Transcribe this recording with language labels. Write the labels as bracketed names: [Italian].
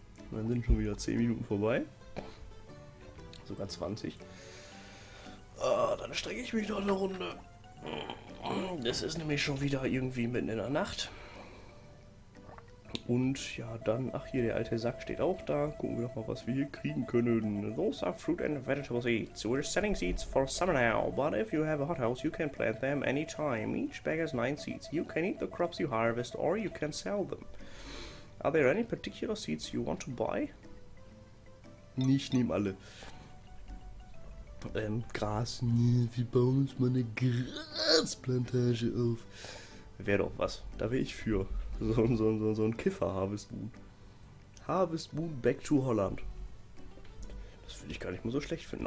[German] Und dann sind schon wieder 10 Minuten vorbei. Sogar 20. Ah, dann strecke ich mich noch eine Runde. Das ist nämlich schon wieder irgendwie mitten in der Nacht. Und ja, dann, ach hier, der alte Sack steht auch da. Gucken wir doch mal, was wir hier kriegen können. [English] Those are fruit and vegetable seeds. We're selling seeds for summer now. But if you have a hothouse, you can plant them anytime. Each bag has 9 seeds. You can eat the crops you harvest or you can sell them. Are there any particular seeds you want to buy? [German] Ich nehme alle. Gras, nee, wir bauen uns mal eine Grasplantage auf. Wäre doch was, da wäre ich für. So ein Kiffer-Harvest Moon. Harvest Moon [English] back to Holland. [German] Das will ich gar nicht mal so schlecht finden.